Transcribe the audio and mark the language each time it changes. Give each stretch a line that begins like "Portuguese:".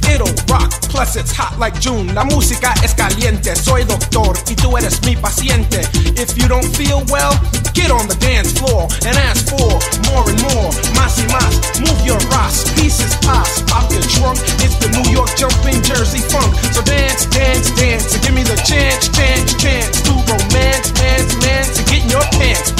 English: It'll rock, plus it's hot like June.
Spanish: La música es caliente. Soy doctor y tú eres mi paciente.
English: If you don't feel well, get on the dance floor and ask for more and more.
Spanish: Más y más,
English: move your ass, pieces pass, pop your trunk. It's the New York jumping Jersey funk. So dance, dance, dance, and give me the chance, chance, chance to romance, dance, man, to get in your pants.